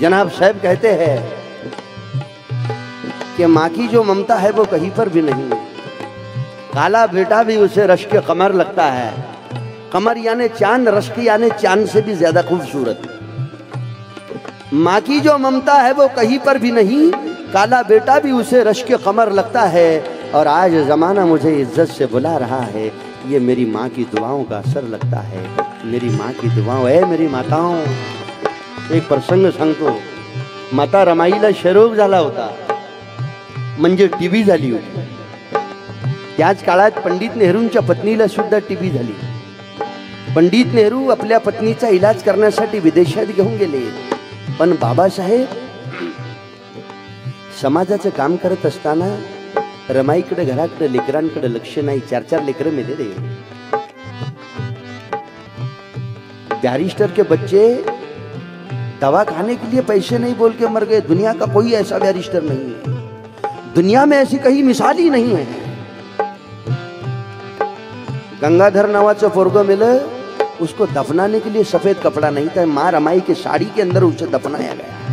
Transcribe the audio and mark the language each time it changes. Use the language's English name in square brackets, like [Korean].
[Hindi] जनाब साहब कहते हैं कि माँ की जो ममता है वो कहीं पर भी नहीं, काला बेटा भी उसे रश के कमर लगता है, कमर यानी चांद, रश्क यानी चांद से भी ज्यादा खूबसूरत। माँ की जो ममता है वो कहीं पर भी नहीं, काला बेटा भी उसे रश्क कमर लगता है और आज जमाना मुझे इज्जत से बुला रहा है, ये मेरी माँ की दुआओं का असर लगता है, मेरी माँ की दुआओं। [Marathi] ऐ मेरी माताओं एक प्रसंग संगतो, माता रमाईला शेरोग झाला होता म्हणजे टीबी झाली होती, त्याच काळात पंडित नेहरूंच्या पत्नीला सुद्धा टीबी झाली। पंडित नेहरू आपल्या पत्नीचा इलाज करण्यासाठी विदेशात घेऊन गेले, पण बाबासाहेब समाजाचं काम करत असताना रमाईकडे घराकडे लेकरांकडे लक्ष नाही, चार चार लेकर मेले रे। [Hindi] बॅरिस्टर के बच्चे दवा खाने के लिए पैसे नहीं बोल के मर गए, दुनिया का कोई ऐसा बॅरिस्टर नहीं है, दुनिया में ऐसी कहीं मिसाल ही नहीं है। गंगाधर [Marathi] नावाचं पोरगं [Hindi] मिले, उसको दफनाने के लिए सफेद कपड़ा नहीं था, मां रमाई की साड़ी के अंदर उसे दफनाया गया।